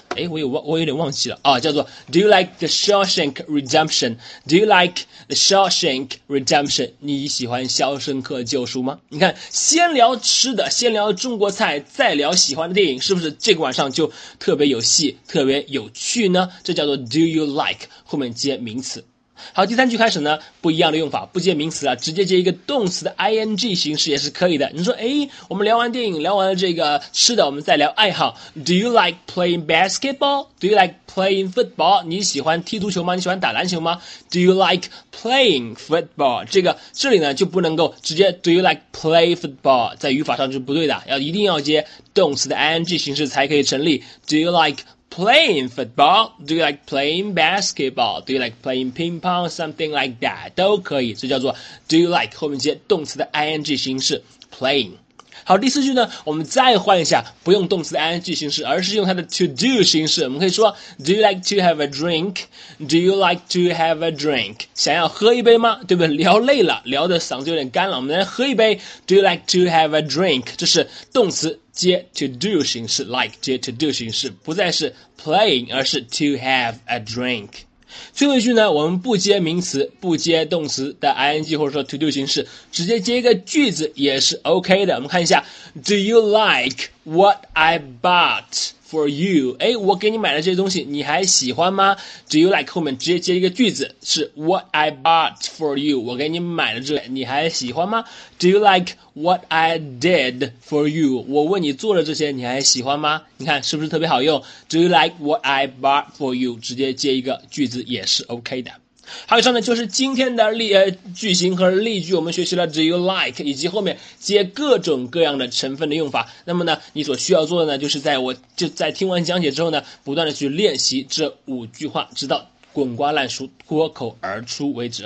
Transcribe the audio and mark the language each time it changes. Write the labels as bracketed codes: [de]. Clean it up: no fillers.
[zh] 我有点忘记了，叫做 [en] Do you like the Shawshank Redemption? Do you like the Shawshank Redemption? [zh] 你喜欢肖申克救赎吗？你看，先聊吃的，先聊中国菜，再聊喜欢的电影，是不是这个晚上就特别有戏，特别有趣呢？这叫做 [en] Do you like [zh] 后面接名词。好，第三句开始呢不一样的用法，不接名词了，直接接一个动词的 ing 形式也是可以的。你说我们聊完电影聊完了这个吃的，我们再聊爱好。 [en] Do you like playing basketball? Do you like playing football? [zh] 你喜欢踢足球吗？你喜欢打篮球吗？ [en] Do you like playing football? [zh] 这里呢就不能够直接 [en] Do you like play football? [zh] 在语法上是不对的，要一定要接动词的 ing 形式才可以成立。 [en] Do you likeplaying football? Do you like playing basketball? Do you like playing ping pong? Something like that. [zh] 都可以，这叫做 [en] Do you like [zh] 后面接动词的 ing 形式 playing。好，第四句呢我们再换一下，不用动词的 ing 形式，而是用它的 to do 形式。我们可以说 [en] Do you like to have a drink? Do you like to have a drink? [zh] 想要喝一杯吗？对不对？聊累了，聊的嗓子有点干了，我们来喝一杯。 [en] Do you like to have a drink? [zh] 这是动词接 [en] to do 形式 ，like 接 to do [zh] 形式，不再是 [en] playing， 而是 to have a drink。 [zh] 最后一句呢，我们不接名词，不接动词的 ing 或者说 to do 形式，直接接一个句子也是 OK 的。我们看一下 [en] ，Do you like what I bought for you？ [zh] 我给你买的这些东西，你还喜欢吗 ？ [en] Do you like [zh] 后面直接接一个句子，是 [en] what I bought for you， [zh] 我给你买的这个，你还喜欢吗 ？ [en] Do you like what I did for you？ [zh] 我为你做的这些，你还喜欢吗？你看是不是特别好用 [en] ？Do you like what I bought for you？ [zh] 直接接一个句子也是 OK 的。好，以上呢就是今天的句型和例句，我们学习了 [en] Do you like [zh] 以及后面接各种各样的成分的用法。那么呢你所需要做的呢就是在听完讲解之后呢不断的去练习这五句话，直到滚瓜烂熟脱口而出为止。